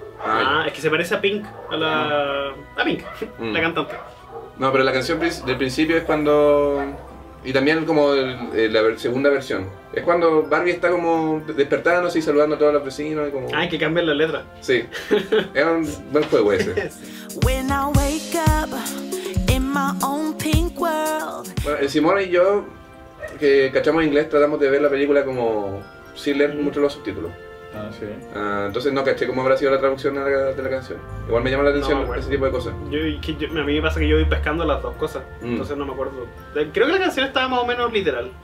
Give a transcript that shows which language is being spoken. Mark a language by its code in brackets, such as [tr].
[es] Ah, es que se parece a Pink, a Pink, la cantante. No, pero la canción del principio es cuando... Y también como la segunda versión. Es cuando Barbie está como despertándose y saludando a todos los vecinos y como... Ah, hay que cambiar la letra. Sí. Es un buen juego ese. [en] When I wake up in my own pink world. [es] Bueno, el Simón y yo, que cachamos inglés, tratamos de ver la película como sin leer mucho los subtítulos. Ah, sí. Entonces no caché cómo habrá sido la traducción de la canción. Igual me llama la atención ese tipo de cosas. A mí me pasa que yo voy pescando las dos cosas. Entonces no me acuerdo. Creo que la canción estaba más o menos literal.